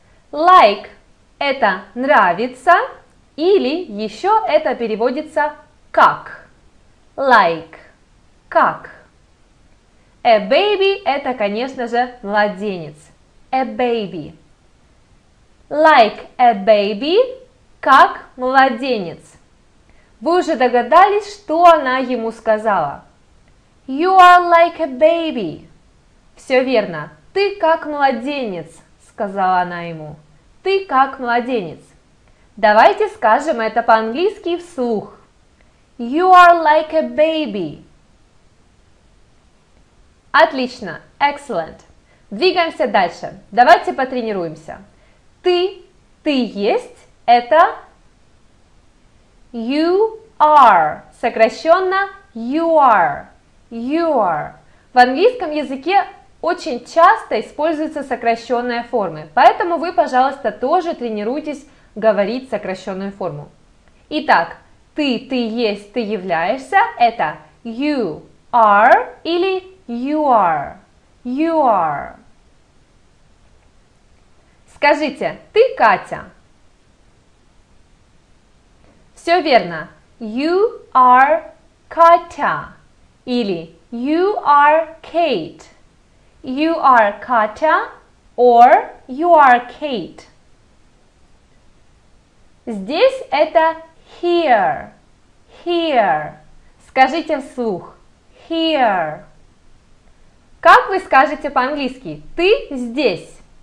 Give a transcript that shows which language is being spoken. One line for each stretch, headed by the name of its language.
Russian: Like – это нравится. Или еще это переводится как. Like – как. A baby – это, конечно же, младенец.
English: A baby. Like a baby –
Russian: как младенец. Вы уже догадались, что она ему сказала?
English: You are like a baby.
Russian: Все верно. Ты как младенец, сказала она ему. Ты как младенец. Давайте скажем это по-английски вслух.
English: You are like a baby.
Russian: Отлично. Excellent. Двигаемся дальше. Давайте потренируемся. Ты есть, это...
English: You are,
Russian: сокращенно
English: you are, you are.
Russian: В английском языке очень часто используются сокращенные формы, поэтому вы, пожалуйста, тоже тренируйтесь говорить сокращенную форму. Итак, ты есть, ты являешься, это
English: you are
Russian: или you are, you are. Скажите, ты Катя? Все верно.
English: You are Katya
Russian: или
English: you are Kate. You are Katya or you are Kate.
Russian: Здесь это here. Here. Скажите вслух. Here. Как вы скажете по-английски? Ты здесь.